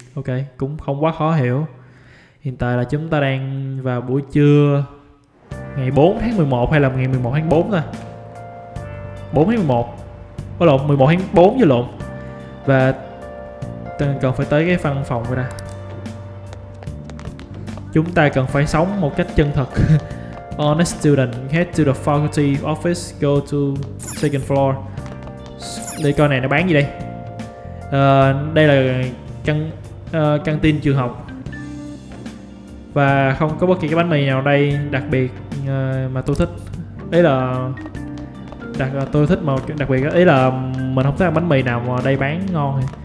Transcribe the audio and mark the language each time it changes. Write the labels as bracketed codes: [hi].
[vi] Ok, cũng không quá khó hiểu. Hiện tại là chúng ta đang vào buổi trưa ngày 4 tháng 11 hay là ngày 11 tháng 4 ta? 4 tháng 11. Có lộn, 11 tháng 4 vô lộn. Và cần phải tới cái văn phòng rồi nè. Chúng ta cần phải sống một cách chân thật. [en] Honest student, head to the faculty office, go to second floor. [vi] Đây coi này, nó bán gì đây? Đây là căng tin trường học. Và không có bất kỳ cái bánh mì nào đây đặc biệt mà tôi thích. Đấy là tôi thích mà đặc biệt, ý là mình không thấy bánh mì nào mà đây bán ngon.